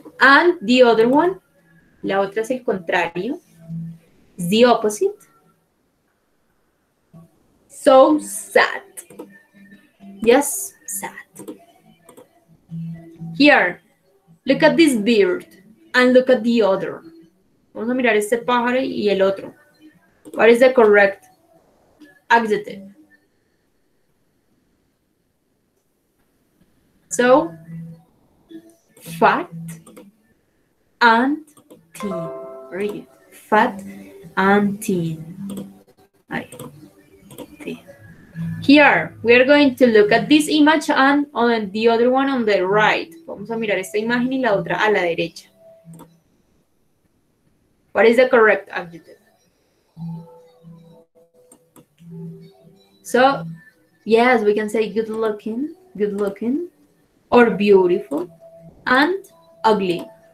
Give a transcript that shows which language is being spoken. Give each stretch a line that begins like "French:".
English: And the other one,
Spanish: la otra es el contrario.
English: It's the opposite. So sad. Yes, sad. Here, look at this bird and look at the other.
Spanish: Vamos a mirar este pájaro y el otro.
English: What is the correct adjective? So, fat and thin. Very good. Fat and thin. Here, we are going to look at this image and on the other one on the right.
Spanish: Vamos a mirar esta imagen y la otra a la derecha.
English: What is the correct adjective? So, yes, we can say good looking, or beautiful, and ugly.